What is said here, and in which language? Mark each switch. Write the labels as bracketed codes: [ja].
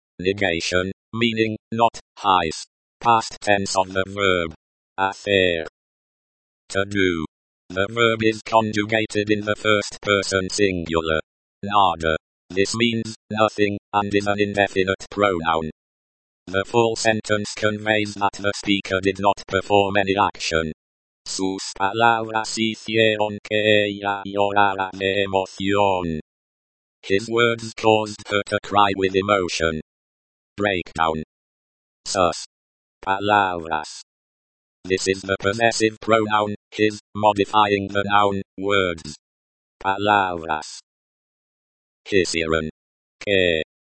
[en] Negation, meaning, not, heis. Past tense of the verb. Hacer. To do. The verb is conjugated in the first person singular. Nada. This means, nothing, and is an indefinite pronoun. The full sentence conveys that the speaker did not perform any action. [es] Sus palabras hicieron que ella llorara de emoción. [en] His words caused her to cry with emotion. Breakdown. Sus. Palabras. This is the possessive pronoun, his, modifying the noun, words. [es] Palabras. Hicieron. Que.